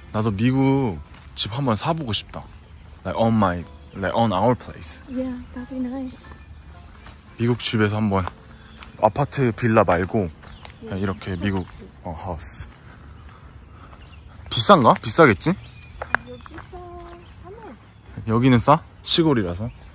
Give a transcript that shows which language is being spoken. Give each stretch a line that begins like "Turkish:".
Korean: 나도 미국 집 한번 사보고 싶다.
English: Like on my, like on our place. Yeah, that'd be nice.
Korean: 미국 집에서 한번 아파트 빌라 말고 yeah, 그냥 이렇게 하우스. 미국 하우스. 비싼가? 비싸겠지? 여기서 사네. 여기는 싸? 시골이라서.